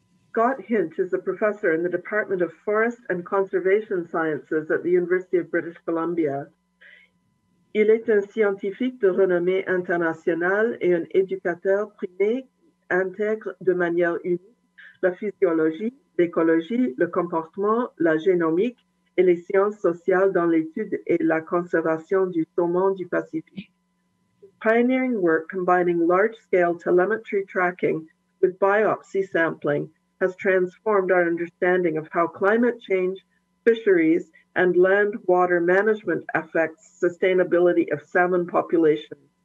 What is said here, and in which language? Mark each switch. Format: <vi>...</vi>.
<en>Scott Hinch is a professor in the Department of Forest and Conservation Sciences at the University of British Columbia.</en> <fr>Il est un scientifique de renommée internationale et un éducateur primé qui intègre de manière unique la physiologie, l'écologie, le comportement, la génomique et les sciences sociales dans l'étude et la conservation du saumon du Pacifique.</fr> <en>Pioneering work combining large-scale telemetry tracking with biopsy sampling has transformed our understanding of how climate change, fisheries, and land water management affects sustainability of salmon populations.</en>